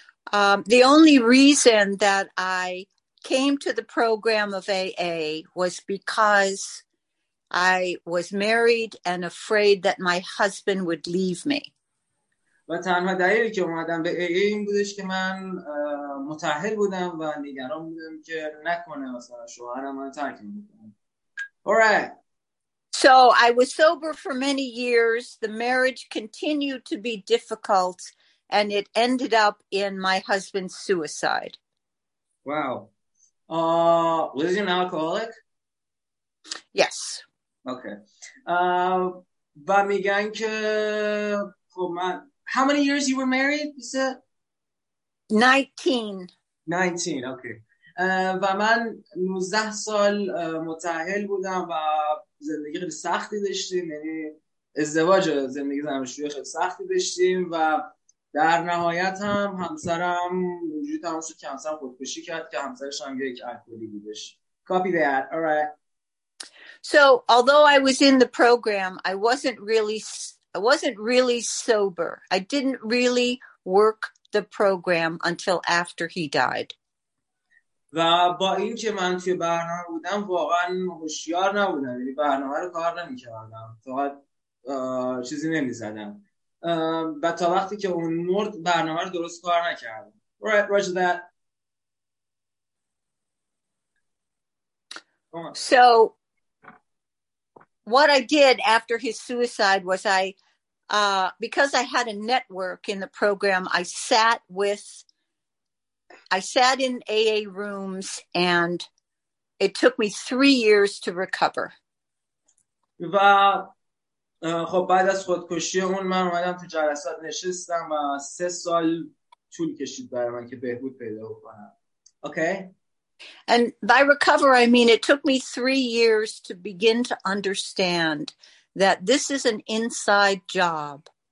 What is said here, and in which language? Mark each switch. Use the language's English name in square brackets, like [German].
[English] The only reason that I came to the program of AA was because I was married and afraid that my husband would leave me. [Persian] و تنها دلیلی که اومدم به AA این بودش که من متأهل بودم و نگران بودم که نکنه مثلا شوهرم من ترکم بکنه. [English] All right. So I was sober for many years. The marriage continued to be difficult and it ended up in my husband's suicide. Wow. Was he an alcoholic? Yes. Okay. Ba migan ke khob man how many years you were married? You said 19. Okay. [Persian] و من 19 سال متأهل بودم و زندگی خیلی سختی داشتیم، یعنی ازدواج و زندگی زناشویی خیلی سختی داشتیم و در نهایت هم همسرم وجود تماس که همسرم خودکشی کرد که همسرش هم یک الکلی بودش. [English] Copy that. All right. So although I was in the program, I wasn't really sober. I didn't really work the program until after he died. [Persian] و با این که من توی برنامه بودم واقعا هوشیار نبودم، یعنی برنامه رو کار نمی کردم، فقط چیزی نمی زدم و تا وقتی که اون مرد برنامه رو درست کار نکردم. [English] Right, roger that. So what I did after his suicide was because I had a network in the program, I sat in AA rooms and it took me 3 years to recover. [Persian] و خب بعد از خودکشی اون من اومدم تو جلسات نشستم و 3 سال طول کشید برای من که بهبود پیدا کنم. [English] Okay. And by recover I mean it took me 3 years to begin to understand that this is an inside job.